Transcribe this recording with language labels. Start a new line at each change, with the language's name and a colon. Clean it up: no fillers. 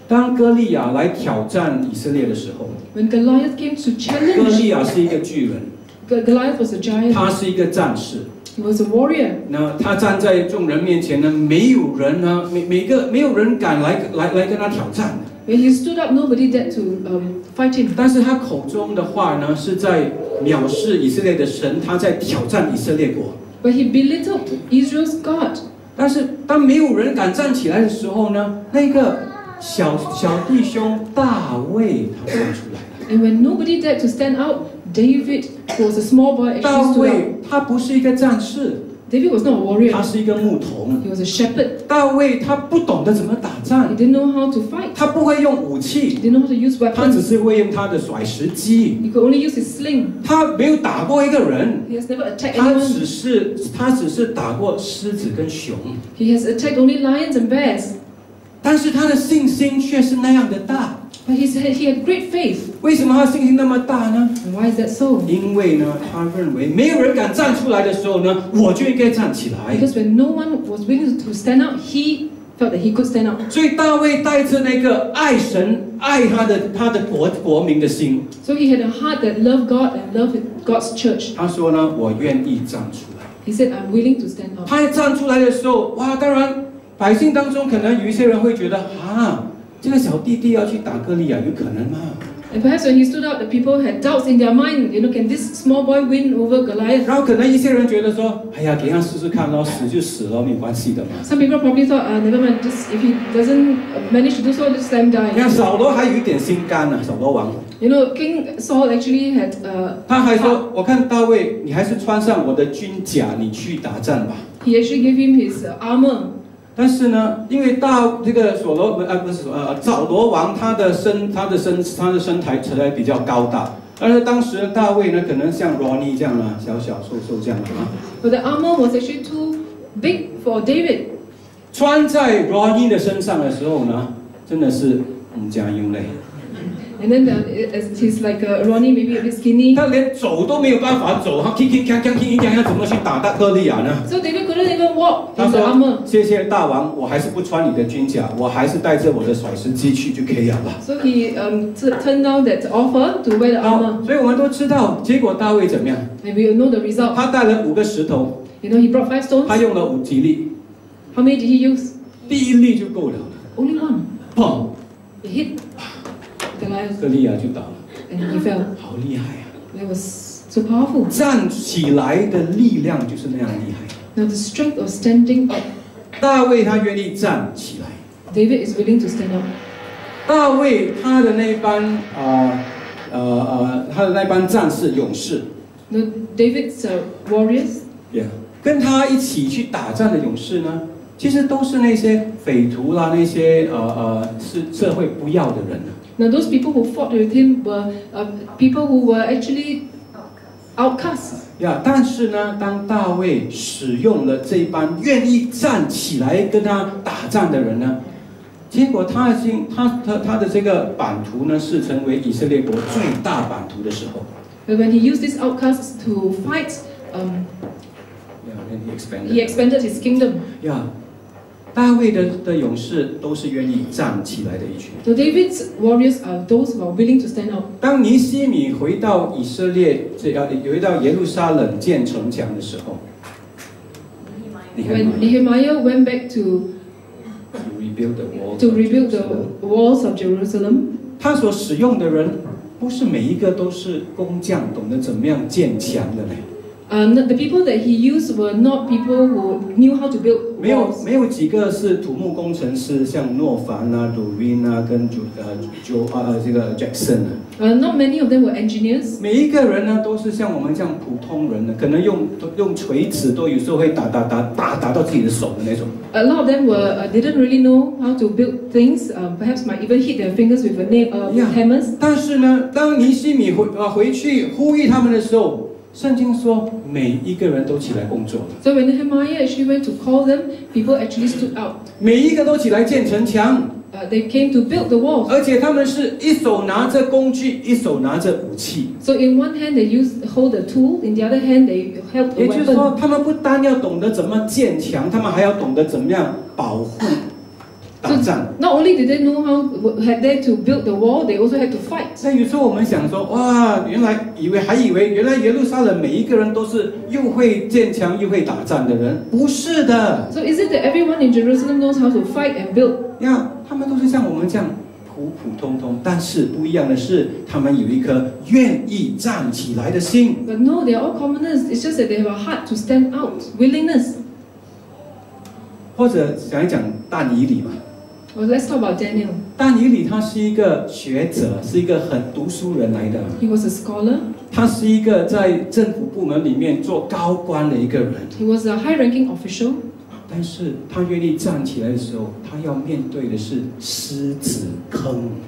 Chinese: 当哥利亚来挑战以色列的时候
English: ，When Goliath came to challenge,
Chinese: 哥利亚是一个巨人。
English: Goliath was a giant.
Chinese: 他是一个战士。
English: He was a warrior.
Chinese: 那他站在众人面前呢，没有人呢，每个没有人敢来跟他挑战。
English: When he stood up, nobody dared to fight him.
Chinese: 但是他口中的话呢，是在藐视以色列的神，他在挑战以色列国。
English: But he belittled Israel's God.
Chinese: 但是当没有人敢站起来的时候呢，那个小弟兄大卫他站出来。
English: And when nobody dared to stand out. David was a small boy.
Chinese: 大卫他不是一个战士。
English: David was not a warrior.
Chinese: 他是一个牧童。
English: He was a shepherd.
Chinese: 大卫他不懂得怎么打仗。
English: He didn't know how to fight.
Chinese: 他不会用武器。
English: He didn't know how to use weapons.
Chinese: 他只是会用他的甩石机。
English: He could only use his sling.
Chinese: 他没有打过一个人。
English: He has never attacked anyone.
Chinese: 他只是打过狮子跟熊。
English: He has attacked only lions and bears.
Chinese: 但是他的信心却是那样的大。
English: But he had great faith.
Chinese: 为什么他信心那么大呢
English: ？And why is that so?
Chinese: 因为呢，他认为没有人敢站出来的时候呢，我就应该站起来。
English: Because when no one was willing to stand up, he felt that he could stand up.
Chinese: 所以大卫带着那个爱神、爱他的国民的心。
English: So he had a heart that loved God and loved God's church.
Chinese: 他说呢，我愿意站出来。
English: He said, "I'm willing to stand up."
Chinese: 他站出来的时候，哇，当然百姓当中可能有一些人会觉得啊。这个小弟弟要去打哥利亚，有可能吗
English: ？And perhaps when he stood up, the people had doubts in their mind. You know, can this small boy win over Goliath?
Chinese: 然后可能一些人觉得说，哎呀，给他试试看喽，死就死喽，没关系的嘛。
English: Some people probably thought, never mind. Just if he doesn't manage to do so, just let him die.
Chinese: 你看扫罗还有一点心肝呢，扫罗王。
English: You know, King Saul actually had.
Chinese: 他还说，我看大卫，你还是穿上我的军甲，你去打仗吧。
English: He actually gave him his armor.
Chinese: 但是呢，因为大这个所罗门啊，不是扫罗王，他的身材比较高大，而且当时大卫呢，可能像 Ronnie 这样啊，小小瘦瘦这样啊。
English: But the armor was actually too big for David.
Chinese: 穿在 Rodney 的身上的时候呢，真的是不加用累。
English: And then he's like Rodney, maybe a bit skinny.
Chinese: 他连走都没有办法走，他
English: kicking
Chinese: 要怎么去打到哥利亚呢
English: ？So David couldn't even walk.
Chinese: 他说：“谢谢大王，我还是不穿你的军甲，我还是带着我的甩石机去就可以了。
English: ”So he turned down that offer to wear the armor.
Chinese: 所以我们都知道结果大卫怎么样
English: ？And we know the result.
Chinese: 他带了五个石头。
English: You know he brought five stones.
Chinese: 他用了五几粒。
English: How many did he use?
Chinese: 第一粒就够了。
English: Only one. Boom. It hit.
Chinese: 哥利亚就倒了
English: and he fell.
Chinese: 好厉害啊
English: That was so powerful.
Chinese: 站起来的力量就是那样厉害
English: Now the strength of standing up
Chinese: 大卫他愿意站起来
English: David is willing to stand up
Chinese: 大卫他的那班他的那班战士勇士
English: Now David's warriors
Chinese: yeah, 跟他一起去打战的勇士呢其实都是那些匪徒啦那些是社会不要的人啊
English: Now those people who fought with him were people who were actually outcasts.
Chinese: Yeah, 但是呢，当大卫使用了这班愿意站起来跟他打仗的人呢，结果他的这个版图呢，是成为以色列国最大版图的时候。
English: But when he used these outcasts to fight, he expanded his kingdom. Yeah.
Chinese: 大卫 的勇士都是愿意站起来的一群。
English: So David's warriors are those who are willing to stand up.
Chinese: 当尼希米回到以色列，回到耶路撒冷建城墙的时候
English: ，Nehemiah went back to rebuild the walls of Jerusalem.
Chinese: 他所使用的人不是每一个都是工匠，懂得怎么样建墙的嘞。
English: The people that he used were not people who knew how to build walls.
Chinese: 没有几个是土木工程师，像诺凡啊、鲁宾啊、跟这个 Jackson 啊。
English: Not many of them were engineers.
Chinese: 每一个人呢，都是像我们这样普通人的，可能用锤子都有时候会打到自己的手的那种。
English: A lot of them didn't really know how to build things. Perhaps might even hit their fingers with hammers.
Chinese: 但是呢，当尼希米回去呼吁他们的时候。圣经说，每一个人都起来工作。
English: So when Nehemiah actually went to call them, people actually stood out.
Chinese: 每一个都起来建城墙。
English: They came to build the walls.
Chinese: 而且他们是一手拿着工具，一手拿着武器。
English: So in one hand they hold the tool, in the other hand they held the weapon.
Chinese: 也就是说，他们不单要懂得怎么建墙，他们还要懂得怎么样保护。
English: So, not only did they know how had they to build the wall, they also had to fight.
Chinese: 那有时候我们想说，哇，原来以为还以为原来耶路撒冷每一个人都是又会建墙又会打仗的人，不是的。
English: So is it that everyone in Jerusalem knows how to fight and build?
Chinese: Yeah, 他们都是像我们这样普普通通，但是不一样的是，他们有一颗愿意站起来的心。
English: But no, they are all commoners. It's just that they have a heart to stand out, willingness.
Chinese: 或者讲一讲但以理嘛。
English: Well, let's talk about Daniel.
Chinese: 但以理他是一个学者，是一个很读书人来的。
English: He was a scholar.
Chinese: 他是一个在政府部门里面做高官的一个人。
English: He was a high-ranking official.
Chinese: 但是他愿意站起来的时候，他要面对的是狮子坑。